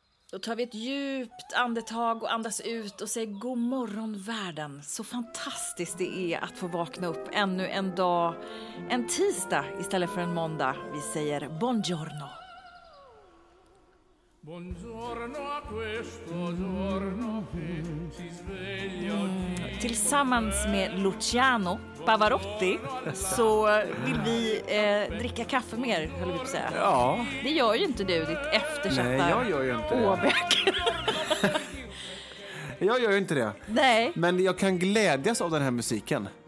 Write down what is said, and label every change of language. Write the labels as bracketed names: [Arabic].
[Swedish] Då tar vi ett djupt andetag och andas ut och säger god morgon världen. Så fantastiskt det är att få vakna upp ännu en dag, en tisdag istället för en måndag. Vi säger buongiorno. [Italian] Buongiorno a questo giorno che si sveglia. [Swedish] Tillsammans med Luciano Pavarotti så vill vi dricka kaffe mer, höll vi på att säga. Ja. Det gör ju inte du, ditt eftersatta. Nej, jag gör ju inte åbäck. Det. Jag gör ju inte det. Nej. Men jag kan glädjas av den här musiken.